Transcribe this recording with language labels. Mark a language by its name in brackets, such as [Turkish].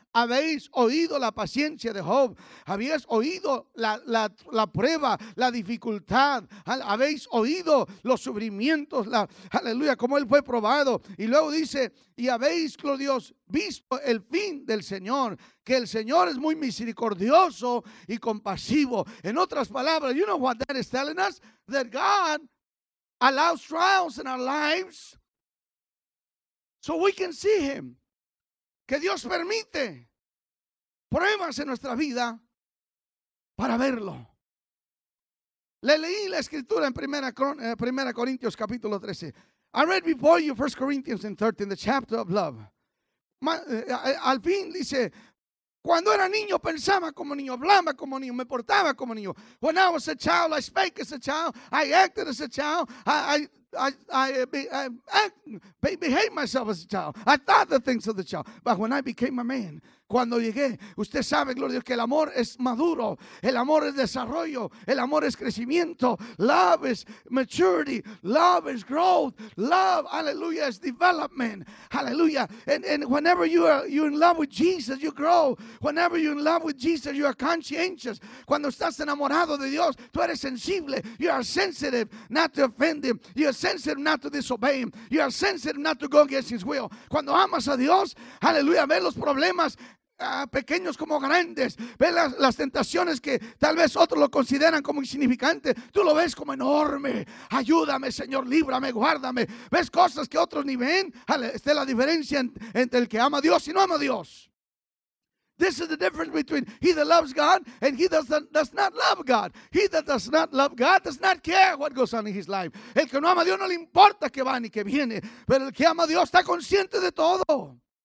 [Spanish] Habéis oído la paciencia de Job. Habéis oído la prueba, la dificultad. Habéis oído los sufrimientos, aleluya, cómo él fue probado. Y luego dice, y habéis, gloria a Dios, visto el fin del Señor, que el Señor es muy misericordioso y compasivo. En otras palabras, [English] you know what that is telling us? That God allows trials in our lives so we can see him. [Spanish] Que Dios permite pruebas en nuestra vida para verlo. Le leí la escritura en Primera Corintios capítulo 13. [English] I read before you 1 Corinthians 13, the chapter of love. [Spanish] Al fin dice, cuando era niño pensaba como niño, hablaba como niño, me portaba como niño. [English] When I was a child, I spoke as a child, I acted as a child, I behaved myself as a child. I thought the things of the child. But when I became a man, [Spanish] cuando llegué, usted sabe, gloria a Dios, que el amor es maduro, el amor es desarrollo, el amor es crecimiento. [English] Love is maturity, love is growth, love, hallelujah, is development, hallelujah. And whenever you're in love with Jesus, you grow. Whenever you're in love with Jesus, you are conscientious. [Spanish] Cuando estás enamorado de Dios, tú eres sensible. [English] You are sensitive not to offend him. You are sensitive not to disobey him. You are sensitive not to go against his will. [Spanish] Cuando amas a Dios, hallelujah, ve los problemas pequeños como grandes, ve las tentaciones que tal vez otros lo consideran como insignificante, tú lo ves como enorme. Ayúdame, Señor, líbrame, guárdame. Ves cosas que otros ni ven. Esta es la diferencia entre el que ama a Dios y no ama a Dios. [English] This is the difference between he that loves God and he that does not love God. He that does not love God does not care what goes on in his life. [Spanish] El que no ama a Dios no le importa que va ni que viene, pero el que ama a Dios está consciente de todo.